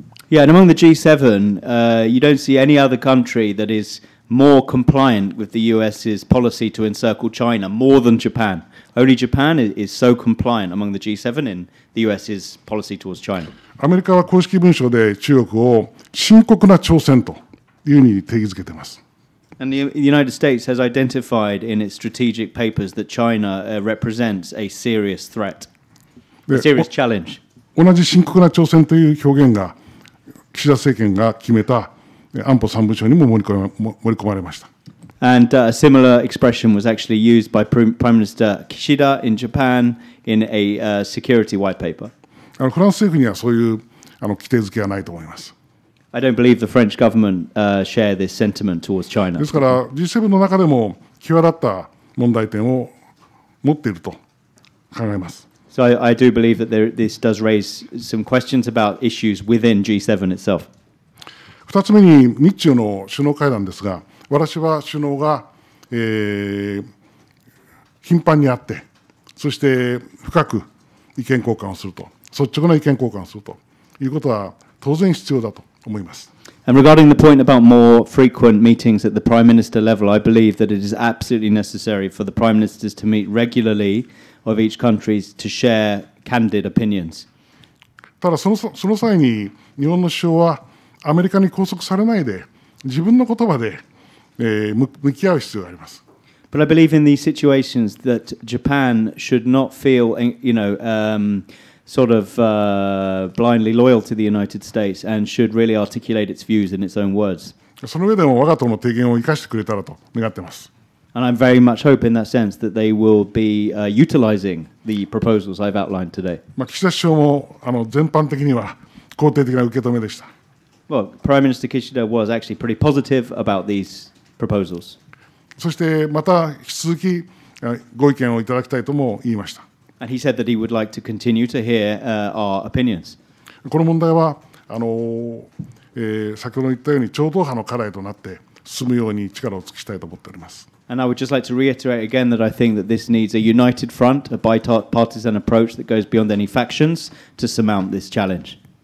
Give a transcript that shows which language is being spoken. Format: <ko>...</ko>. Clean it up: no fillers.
<en>Yeah, and among the G7, you don't see any other country that is. More compliant with the US's policy to encircle China more than Japan. Only Japan is so compliant among the G7 in the US's policy towards China.</en> <ja>アメリカは公式文書で中国を深刻な挑戦というふうに定義づけています。</ja> <en>And the United States has identified in its strategic papers that China represents a serious threat, a serious challenge.</en> <ja>同じ深刻な挑戦という表現が岸田政権が決めた安保三文書にも盛り込まれました。</ja> <en>And a similar expression was actually used by Prime Minister Kishida in Japan in a security white paper.</en> <ja>フランス政府にはそういう規定づけはないと思います。</ja> <en>I don't believe the French government share this sentiment towards China.</en> <ja>ですから G7 の中でも際立った問題点を持っていると考えます。</ja> <en>So I do believe that this does raise some questions about issues within G7 itself.</en> <ja>二つ目に日中の首脳会談ですが、私は首脳が、頻繁に会って、そして深く意見交換をすると、率直な意見交換をするということは当然必要だと。</ja> <en>And regarding the point about more frequent meetings at the Prime Minister level, I believe that it is absolutely necessary for the Prime Ministers to meet regularly of each country to share candid opinions.</en> <ja>ただその際に日本の首相はアメリカに拘束されないで自分の言葉で向き合う必要があります。</ja> <en>But I believe in these situations that Japan should not feel, blindly loyal to the United States and should really articulate its views in its own words.</en> <ja>その上でも我が党の提言を生かしてくれたらと願ってます。</ja> <en>And I'm very much hope in that sense that they will be utilizing the proposals I've outlined today.</en> <ja>岸田首相も全般的には肯定的な受け止めでした。</ja> <en>Well, Prime Minister Kishida was actually pretty positive about these proposals.</en> <ja>そしてまた引き続きご意見をいただきたいとも言いました。</ja> <en>And he said that he would like to continue to hear our opinions.</en> <ja>この問題は先ほど言ったように超党派の課題となって進むように力を尽くしたいと思っております。</ja> <en>And I would just like to reiterate again that I think that this needs a united front, a bipartisan approach that goes beyond any factions to surmount this challenge.</en>